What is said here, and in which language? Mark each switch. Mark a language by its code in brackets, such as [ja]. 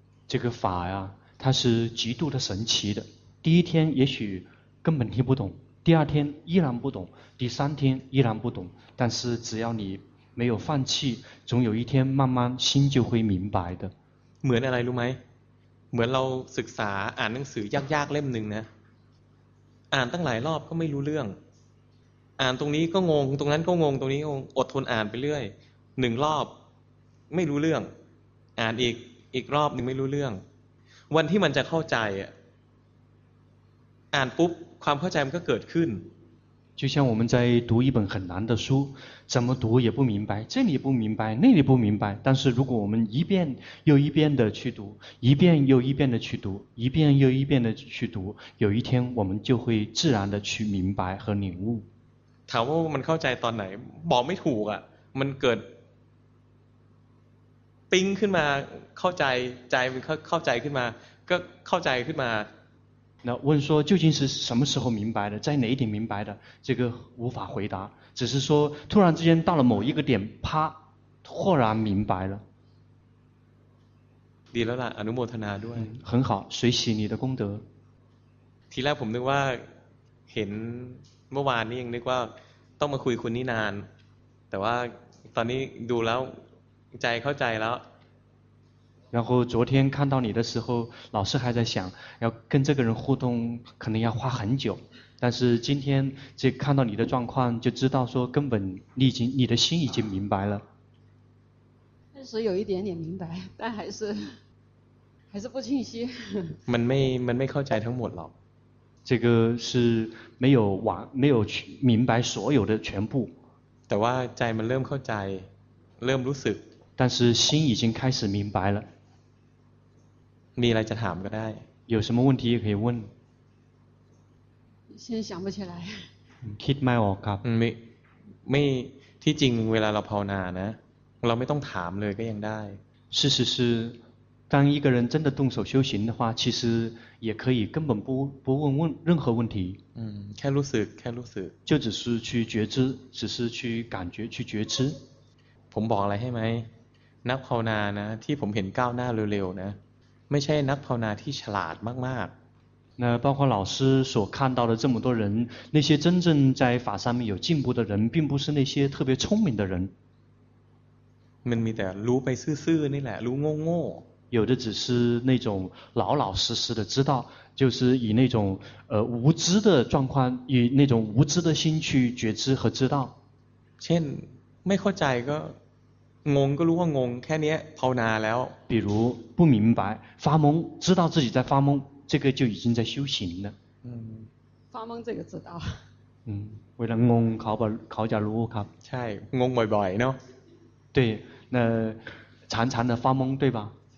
[zh] 这个法呀它是极度的神奇的第一天也许根本听不懂第二天依然不懂第三天依然不懂但是只要你没有放弃总有一天慢慢心就会明白的 [th] เหมือนอะไรรู้ไหมเหมือนเราศึกษาอ่านหนังสือยากๆเล่มหนึ่งนะอ่านตั้งหลายรอบก็ไม่รู้เรื่องอ่านตรงนี้ก็งงตรงนั้นก็งงตรงนี้งงอดทนอ่านไปเรื่อยหนึ่งรอบไม่รู้เรื่องอ่านอีกรอบนึงไม่รู้เรื่องวันที่มันจะเข้าใจอ่ะอ่านปุ๊บความเข้าใจมันก็เกิดขึ้น [zh] 就像我们在读一本很难的书怎么读也不明白这里不明白那里不明白但是如果我们一遍又一遍的去读一遍又一遍的去读一遍又一遍的去读有一天我们就会自然的去明白和领悟 [th] ถามว่ามันเข้าใจตอนไหนบอกไม่ถูกอ่ะมันเกิดปิ้งขึ้นมาเข้าใจใจมันเข้าใจขึ้นมาก็เข้าใจขึ้นมา [zh] 那问说究竟是什么时候明白的在哪一点明白的这个无法回答只是说突然之间到了某一个点啪豁然明白了 [th] ดีแล้วล่ะอนุโมทนาด้วย [zh] 很好随喜你的功德 [th] ทีแรกผมนึกว่าเห็นเมื่อวานนี้ยังนึกว่าต้องมาคุยคุณนี่นานแต่ว่าตอนนี้ดูแล้วใจเข้าใจแล้ว [zh] 然后昨天看到你的时候老师还在想要跟这个人互动可能要花很久但是今天这看到你的状况就知道说根本你的心已经明白了但是有一点点明白但还是不清晰 [th] มันไม่เข้าใจทั้งหมดหรอก [zh] 这个是没有明白所有的全部 [th] แต่ว่าใจมันเริ่มเข้าใจเริ่มรู้สึก [zh] 但是心已经开始明白了 [th] มีอะไรจะถามก็ได้ [zh] 有什么问题可以问现在想不起来 [th] คิดไม่ออกครับ ไม่ที่จริงเวลาเราภาวนานะเราไม่ต้องถามเลยก็ยังได้ [zh] 是当一个人真的动手修行的话其实也可以根本不问任何问题 [th] แค่รู้สึก [zh] 就只是去觉知只是去感觉去觉知 [th] ผมบอกอะไรให้ไหมนักภาวนานะที่ผมเห็นก้าวหน้าเร็วๆนะไม่ใช่นักภาวนาที่ฉลาดมาก [zh] ๆ那包括老师所看到的这么多人那些真正在法上面有进步的人并不是那些特别聪明的人 [th] มันมีแต่รู้ไปซื่อๆนี่แหละรู้โง่ [zh] ๆ有的只是那种老老实实的知道就是以那种无知的状况以那种无知的心去觉知和知道 [th] เช่นไม่เข้าใจก็งงก็รู้ว่างงแค่นี้ภาวนาแล้ว [zh] 比如不明白发懵知道自己在发懵这个就已经在修行了发懵这个知道 [th] เวลางงเขาจะรู้ครับ ใช่งงบ่อยๆเนาะ [zh] 对那常常的发懵对吧